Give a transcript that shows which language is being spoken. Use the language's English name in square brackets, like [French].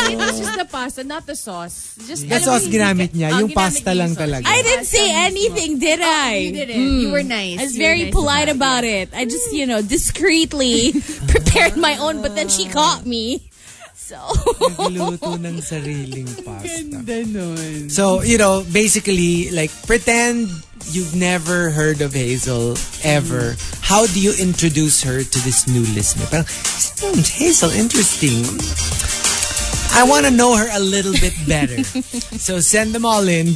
[English] It was just the pasta, not the sauce. Just, [Filipino] the sauce ginamit niya. Yung pasta lang talaga. [English] I didn't say anything, did I? Oh, you didn't. Mm. You were nice. I was very polite about it. I just, you know, discreetly prepared my own, but then she caught me. [Filipino] Nagluto ng sariling pasta. Ganda nun. [English] So, you know, basically, like, pretend you've never heard of Hazel ever. Mm. How do you introduce her to this new listener? Parang, Hazel, interesting. I want to know her a little bit better. So, send them all in.